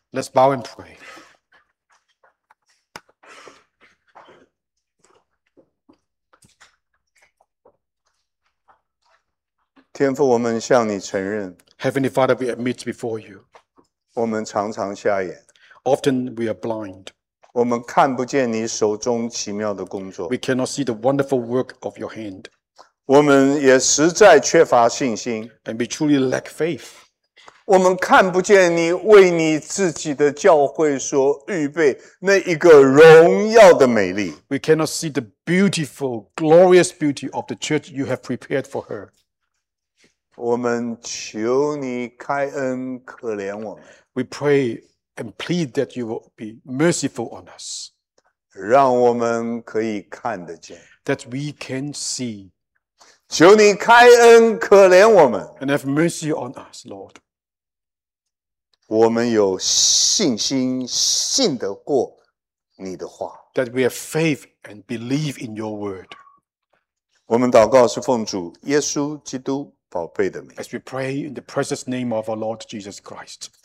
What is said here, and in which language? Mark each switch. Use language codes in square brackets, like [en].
[en] Let's bow and pray. [zh] 天父，我们向你承认。 [en] Heavenly Father, we admit before you. [zh] 我们常常瞎眼。 [en] Often we are blind. [zh] 我们看不见你手中奇妙的工作。 [en] We cannot see the wonderful work of your hand. [zh] 我们也实在缺乏信心。 [en] And we truly lack faith. [zh] 我们看不见你为你自己的教会所预备那一个荣耀的美丽。 [en] We cannot see the beautiful, glorious beauty of the church you have prepared for her. [zh] 我们求你开恩可怜我们。 [en] We pray and plead that you will be merciful on us. [zh] 让我们可以看得见。 [en] That we can see. [zh] 求你开恩可怜我们。 [en] And have mercy on us, Lord. [zh] 我们有信心信得过你的话。 [en] That we have faith and believe in your word. [zh] 我们祷告是奉主耶稣基督。 [en] As we pray in the precious name of our Lord Jesus Christ.